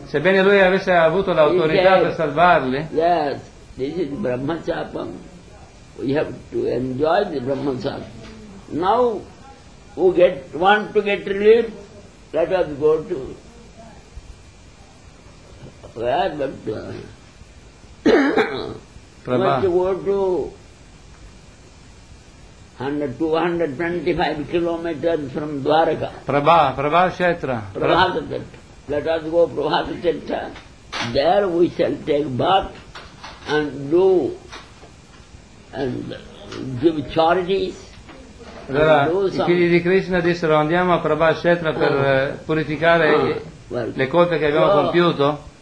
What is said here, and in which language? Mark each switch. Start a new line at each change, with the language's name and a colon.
Italian: Sebbene lui avesse avuto l'autorità per salvarli.
English: Yes, this is Brahmacharyam. We have to enjoy the Brahmacharyam. Now, who want to get relief, let us go to where but to Prabha. Must go to 225 kilometers from Dwaraka. Prabha Kshetra. Let us go Prabhada Kshetra. There we shall take bath and do and give charities.
Italian: Allora, i figli di Krishna dissero andiamo a Prabhada Kshetra per purificare le colpe che abbiamo compiuto.